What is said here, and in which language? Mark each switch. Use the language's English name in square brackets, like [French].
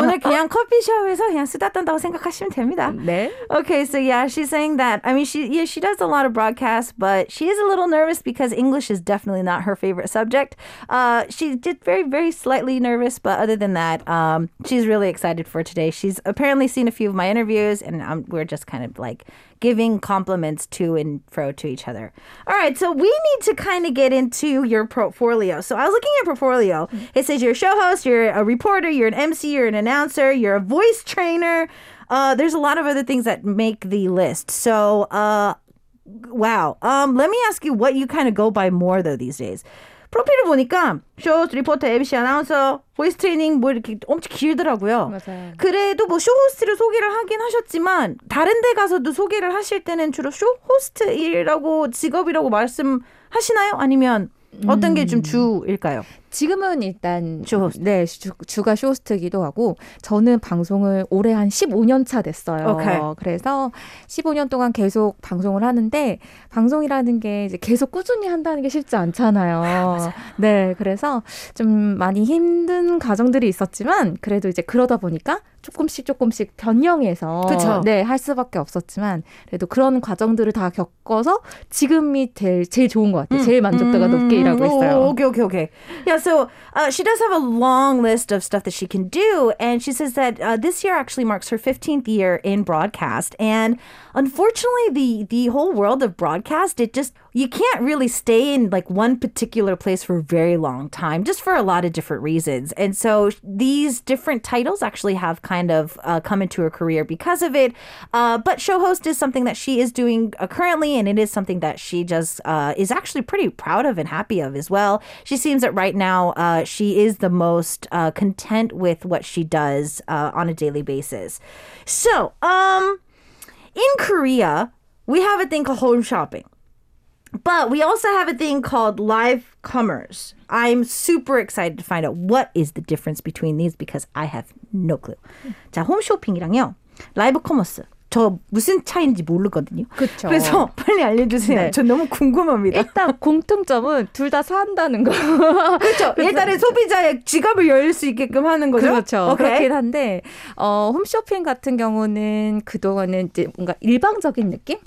[Korean] 오늘 그냥 커피숍에서 그냥 수다 떤다고 생각하시면 됩니다. 네. [English] Okay, so yeah, she's saying that. I mean, she does a lot of broadcasts, but she is a little nervous because English is definitely not her favorite subject. She did very, very slightly nervous, but other than that, she's really excited for today. She's apparently seen a few of my interviews, and we're just kind of like giving compliments to and fro to each other. All right, so we need to kind of get into your portfolio. So I was looking at your portfolio. It says you're a show host, you're a reporter, you're an MC, you're an announcer, you're a voice trainer. There's a lot of other things that make the list. So, wow. Let me ask you what you kind of go by more, though, these days. [Korean] 프로필을 보니까 쇼호스트, 리포터, MC, 아나운서, 보이스 트레이닝 뭐 이렇게 엄청 길더라고요. 맞아요. 그래도 뭐 쇼호스트를 소개를 하긴 하셨지만 다른 데 가서도 소개를 하실 때는 주로 쇼호스트라고 직업이라고 말씀하시나요? 아니면 어떤 게 좀 주일까요? 지금은 일단 쇼호스트. 네, 주가 쇼호스트이기도 하고 저는 방송을 올해 한 15년 차 됐어요. [English] Okay. [Korean] 그래서 15년 동안 계속 방송을 하는데 방송이라는 게 이제 계속 꾸준히 한다는 게 쉽지 않잖아요. 네, 그래서 좀 많이 힘든 과정들이 있었지만 그래도 이제 그러다 보니까 조금씩 변형해서 네, 할 수밖에 없었지만 그래도 그런 과정들을 다 겪어서 지금이 제일 좋은 것 같아요. 제일 만족도가 높게 일하고 있어요. [English] 오케이. Yeah, so she does have a long list of stuff that she can do, and she says that this year actually marks her 15th year in broadcast, and unfortunately, the whole world of broadcast, it just, you can't really stay in like one particular place for a very long time, just for a lot of different reasons, and so these different titles actually have kind of come into her career because of it, but show host is something that she is doing currently, and it is something that she just is actually pretty proud of and happy of as well. She seems that right now she is the most content with what she does on a daily basis. So, in Korea, we have a thing called home shopping. But we also have a thing called live comers. I'm super excited to find out what is the difference between these because I have no clue. [Korean] 자, 홈 쇼핑이랑요. 라이브 커머스. 저 무슨 차이인지 모르거든요. 그렇죠. 그래서 빨리 알려주세요. 네. 저 너무 궁금합니다. 일단 공통점은 둘 다 산다는 거. 그렇죠. 일단은 소비자의 지갑을 열 수 있게끔 하는 거죠. 그렇죠. [English] Okay. [Korean] 그렇긴 한데 홈쇼핑 같은 경우는 그동안은 이제 뭔가 일방적인 느낌?